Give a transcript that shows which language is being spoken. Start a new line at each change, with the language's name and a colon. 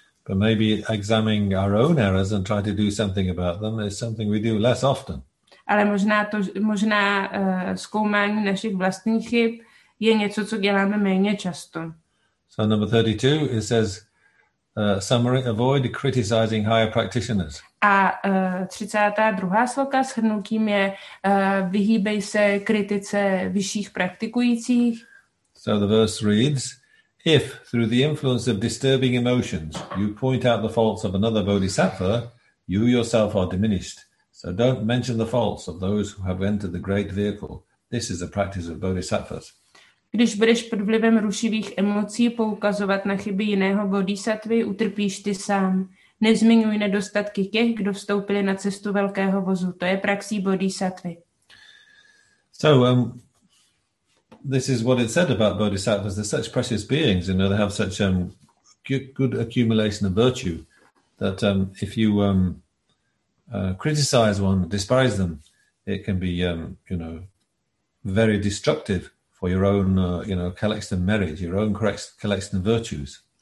English: But maybe examining our own errors and try to do something about them is something we do less often.
Czech: Ale možná zkoumání našich vlastních chyb je něco, co děláme méně často.
English: So number 32, it says, summary, avoid criticizing higher practitioners.
Czech: A 32. sloka shrnutím je, vyhýbej se kritice vyšších praktikujících.
English: So the verse reads, if through the influence of disturbing emotions you point out the faults of another bodhisattva, you yourself are diminished. So don't mention the faults of those who have entered the great vehicle. This is the practice of bodhisattvas.
Czech: Když budeš pod vlivem rušivých emocí poukazovat na chyby jiného bodhisattvy, utrpíš ty sám. Nezmiňuj nedostatky těch, kdo vstoupili na cestu velkého vozu. To je praxí bodhisattvy.
English: So, this is what it said about bodhisattvas. They're such precious beings, you know, they have such good accumulation of virtue that if you criticize one, despise them, it can be, very destructive for your own, collection of merit, your own collection of virtues.